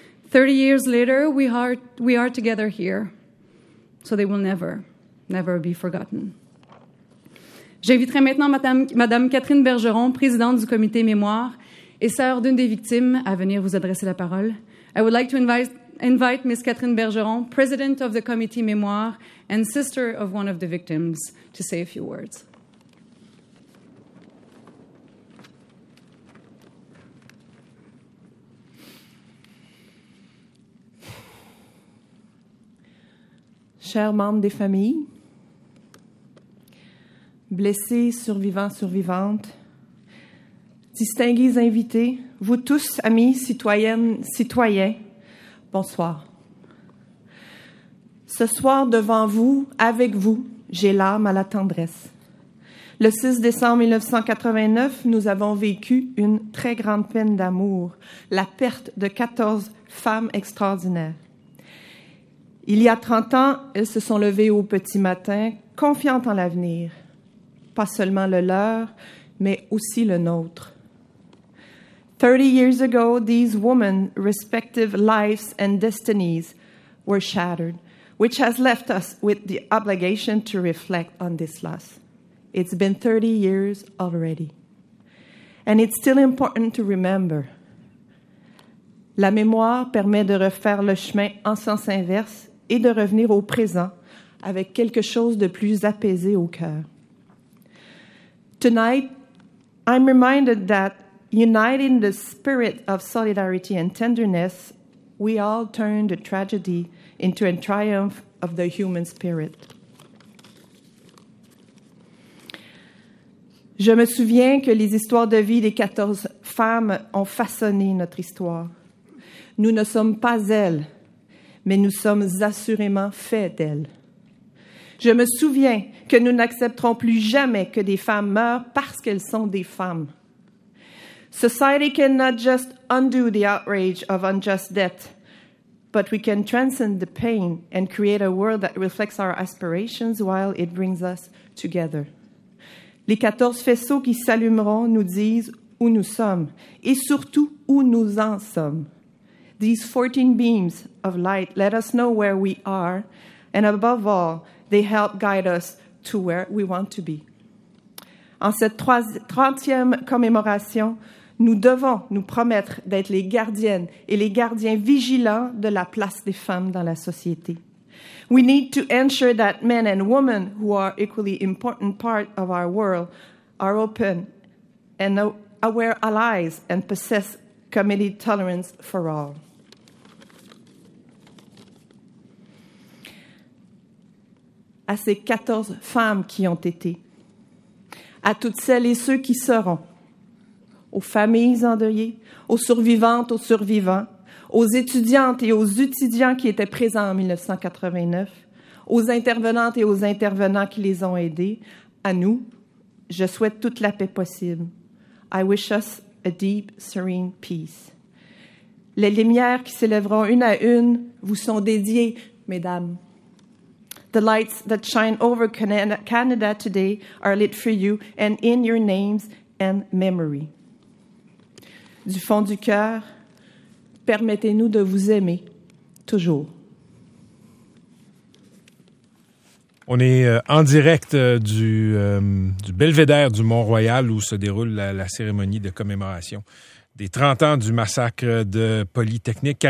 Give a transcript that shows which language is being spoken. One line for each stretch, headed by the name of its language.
English: 30 years later, we are together here, so they will never, never be forgotten.
French: J'inviterai maintenant Madame Catherine Bergeron, présidente du comité mémoire et sœur d'une des victimes, à venir vous adresser la parole.
English: I would like to invite Ms. Catherine Bergeron, president of the committee mémoire and sister of one of the victims, to say a few words.
French: Chers membres des familles, blessés, survivants, survivantes, distingués invités, vous tous, amis, citoyennes, citoyens, bonsoir. Ce soir, devant vous, avec vous, j'ai l'âme à la tendresse. Le 6 décembre 1989, nous avons vécu une très grande peine d'amour, la perte de 14 femmes extraordinaires. Il y a 30 ans, elles se sont levées au petit matin, confiantes en l'avenir, pas seulement le leur, mais aussi le nôtre.
English: 30 years ago, these women's respective lives and destinies were shattered, which has left us with the obligation to reflect on this loss. It's been 30 years already. And it's still important to remember.
French: La mémoire permet de refaire le chemin en sens inverse et de revenir au présent avec quelque chose de plus apaisé au cœur.
English: Tonight, I'm reminded that uniting the spirit of solidarity and tenderness, we all turned a tragedy into a triumph of the human spirit.
French: Je me souviens que les histoires de vie des 14 femmes ont façonné notre histoire. Nous ne sommes pas elles, mais nous sommes assurément faits d'elles. Je me souviens que nous n'accepterons plus jamais que des femmes meurent parce qu'elles sont des femmes.
English: Society cannot just undo the outrage of unjust death, but we can transcend the pain and create a world that reflects our aspirations while it brings us together.
French: Les 14 faisceaux qui s'allumeront nous disent où nous sommes et surtout où nous en sommes.
English: These 14 beams of light let us know where we are, and above all, they help guide us to where we want to be.
French: En cette 30e commémoration, nous devons nous promettre d'être les gardiennes et les gardiens vigilants de la place des femmes dans la société.
English: We need to ensure that men and women, who are equally important part of our world, are open and aware allies and possess community tolerance for all.
French: À ces 14 femmes qui ont été, à toutes celles et ceux qui seront, aux familles endeuillées, aux survivantes, aux survivants, aux étudiantes et aux étudiants qui étaient présents en 1989, aux intervenantes et aux intervenants qui les ont aidés, à nous, je souhaite toute la paix possible.
English: I wish us a deep, serene peace.
French: Les lumières qui s'élèveront une à une vous sont dédiées, mesdames.
English: The lights that shine over Canada today are lit for you and in your names and memory.
French: Du fond du cœur, permettez-nous de vous aimer toujours. On est en direct du Belvédère du Mont-Royal où se déroule la cérémonie de commémoration des 30 ans du massacre de Polytechnique.